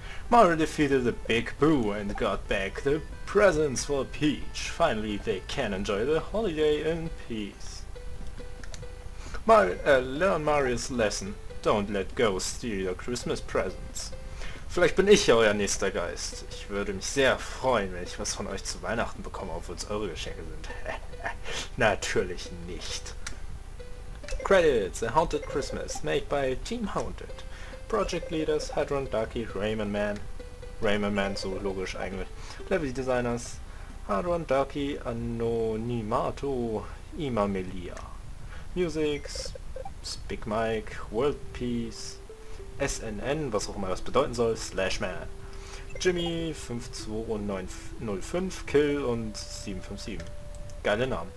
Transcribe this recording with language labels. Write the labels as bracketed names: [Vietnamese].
[English] Mario defeated the big Boo and got back the presents for Peach. Finally they can enjoy the holiday in peace. Learn Mario's lesson. Don't let ghosts steal your Christmas presents. [German] Vielleicht bin ich ja euer nächster Geist. Ich würde mich sehr freuen, wenn ich was von euch zu Weihnachten bekomme, obwohl es eure Geschenke sind. Natürlich nicht. [English] Credits: A Haunted Christmas, made by Team Haunted. Project Leaders: Hadron Ducky, Rayman Man. [German] Rayman Man, so logisch eigentlich. [English] Level Designers: Hadron Ducky, Anonimato, Imamelia. Music: Big Mike, World Peace. [German] SNN, was auch immer das bedeuten soll, Slashman. Jimmy 52905, Kill und 757. Geile Namen.